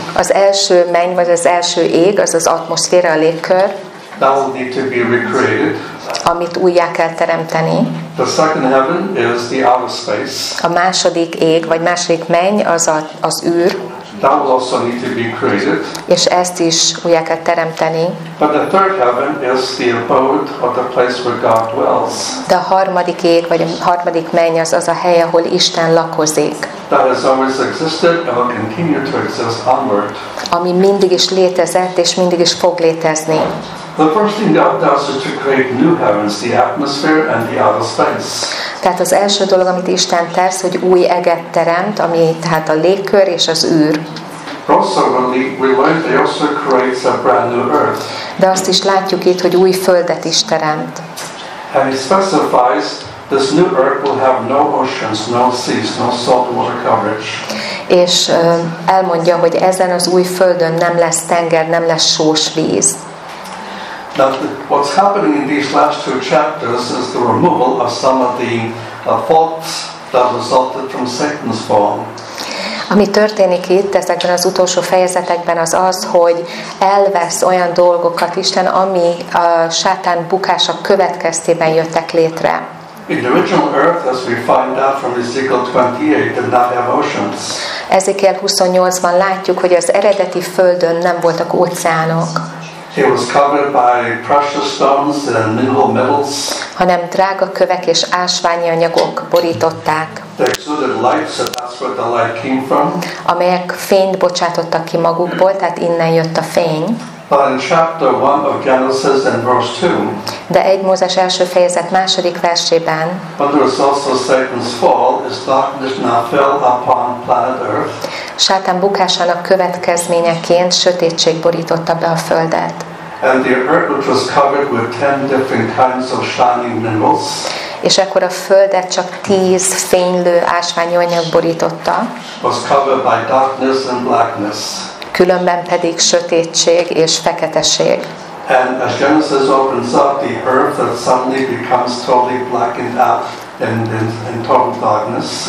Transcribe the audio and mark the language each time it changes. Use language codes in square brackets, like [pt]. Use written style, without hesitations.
[hu] Az első menny, vagy az első ég, az az atmoszféra, a légkör. [en] That will need to be recreated. [hu] Amit újjá kell teremteni. [en] The second heaven is the outer space. [hu] A második ég, vagy második menny, az az űr. [en] That will also need to be created. [hu] És ezt is újjá kell teremteni. [en] But the third heaven is the abode of the place where God dwells. [hu] De a harmadik ég, vagy a harmadik menny, az a hely, ahol Isten lakozik. [en] That has always existed and will continue to exist onward. [hu] Ami mindig is létezett, és mindig is fog létezni. [en] The first thing God does is to create new heavens, the atmosphere and the outer space. [hu] Tehát az első dolog, amit Isten tesz, hogy új eget teremt, ami tehát a légkör és az űr. [en] Also, we learn they also creates a brand new earth. [hu] De azt is látjuk itt, hogy új földet is teremt. [en] And he specifies this new earth will have no oceans, no seas, no salt water coverage. [hu] És elmondja, hogy ezen az új földön nem lesz tenger, nem lesz sós víz. [en] Now, what's happening in these last two chapters is the removal of some of the faults that resulted from Satan's fall. [hu] Ami történik itt ezekben az utolsó fejezetekben, az az, hogy elvesz olyan dolgokat Isten, ami a sátán bukása következtében jöttek létre. [en] In the original earth, as we find out from Ezekiel 28, did not have oceans. [hu] Ezekiel 28-ban látjuk, hogy az eredeti földön nem voltak óceánok. [en] It was covered by precious stones and mineral metals. [hu] Hanem drága kövek és ásványi anyagok borították. [en] They exuded light, so that's where the light came from. [hu] Amelyek fényt bocsátottak ki magukból, tehát innen jött a fény. [en] But in chapter 1 of Genesis and verse 2. [hu] De egy Mózes első fejezet második versében. [en] But there is also Satan's fall, is darkness now fell upon planet Earth. [hu] Sátán bukásának következményeként sötétség borította be a földet. [en] And the earth which was covered with 10 different kinds of shining minerals. [hu] És akkor a földet csak 10 fénylő ásványi anyag borította. [en] Was covered by darkness and blackness. [hu] Különben pedig sötétség és feketeség. [en] And as Genesis opens up, the earth that suddenly becomes totally blackened out in total darkness.